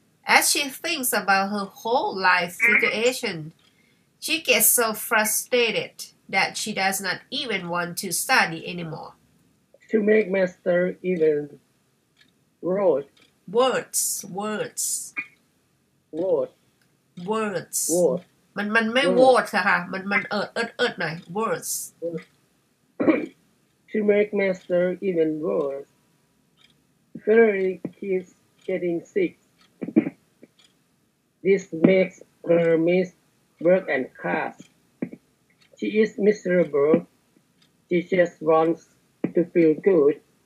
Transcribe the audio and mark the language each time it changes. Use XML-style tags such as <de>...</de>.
<en>As she thinks about her whole life situation, she gets so frustrated that she does not even want to study anymore. To make matters even worse. Words. Words. Words. Words.</en> <th>มันไม่ words ค่ะมันเอิดหน่อย words</th> <en>to make matter even worse Fairy keeps getting sick this makes her miss work and class she is miserable she just wants to feel good</en>